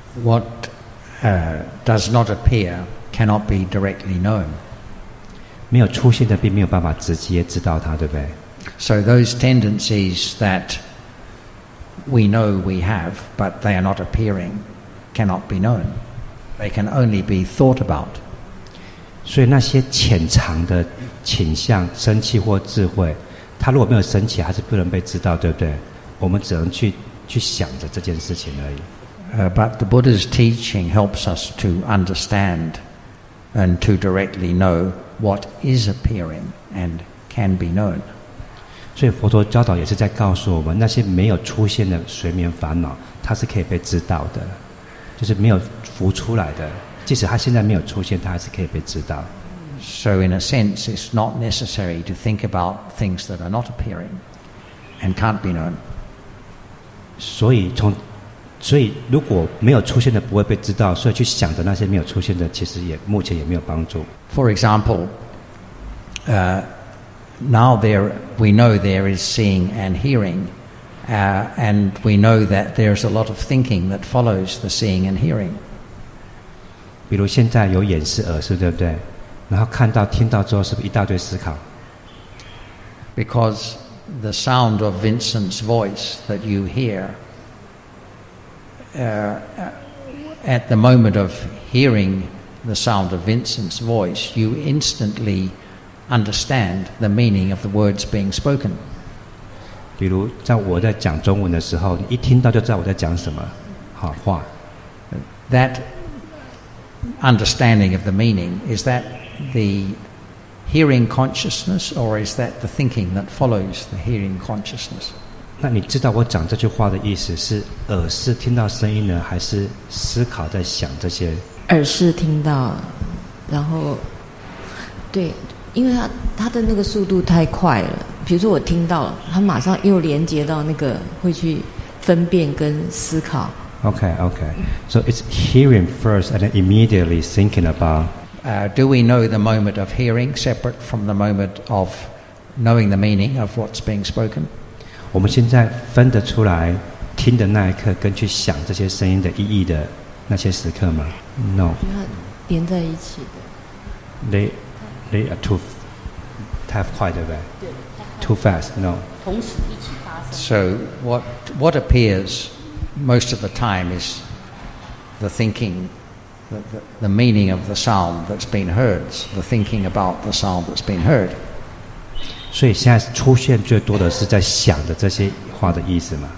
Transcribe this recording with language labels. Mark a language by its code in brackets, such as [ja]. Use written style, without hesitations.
[en] ？What does not appear cannot be directly known。 [zh] 没有出现的，并没有办法直接知道它，对不对 [en] ？So those tendencies that we know we have, but they are not appearing, cannot be known. They can only be thought about. [zh] 所以那些潜藏的倾向、生气或智慧，它如果没有升起，还是不能被知道，对不对？我们只能去想着这件事情而已。 [en] But the Buddha's teaching helps us to understand and to directly know what is appearing and can be known. [zh] 所以佛陀教导也是在告诉我们，那些没有出现的睡眠烦恼，它是可以被知道的。就是没有浮出来的，即使它现在没有出现，它还是可以被知道。 [en] So in a sense, it's not necessary to think about things that are not appearing and can't be known. [zh] 所以从所以如果没有出现的不会被知道，所以去想的那些没有出现的其实也目前也没有帮助。 [en] For example, now there we know there is seeing and hearing, and we know that there's a lot of thinking that follows the seeing and hearing. [zh] 比如现在有眼识耳识，对不对？然后看到听到之后是不是一大堆思考？ [en] Because the sound of Vincent's voice that you hear, at the moment of hearing the sound of Vincent's voice, you instantly understand the meaning of the words being spoken. [zh] 比如在我在讲中文的时候，你一听到就知道我在讲什么好话。 [en] That understanding of the meaning, is that the hearing consciousness or is that the thinking that follows the hearing consciousness? [zh] 那你知道我讲这句话的意思是耳识听到声音呢，还是思考在想这些？耳识听到，然后对，因为他的那个速度太快了，比如说我听到了，他马上又连接到那个会去分辨跟思考。 [en] OK, OK, so it's hearing first and then immediately thinking about Do we know the moment of hearing separate from the moment of knowing the meaning of what's being spoken? [zh] 我们现在分得出来听的那一刻跟去想这些声音的意义的那些时刻吗？ [en] No, [zh] 连在一起的。 [en] They are too [zh] 太快，对不对？对， [en] too fast. No, [zh] 同时一起发生。 [en] So what appears most of the time is the thinking, the meaning of the sound that's been heard, the thinking about the sound that's been heard. [zh] 所以现在出现最多的是在想的这些话的意思吗？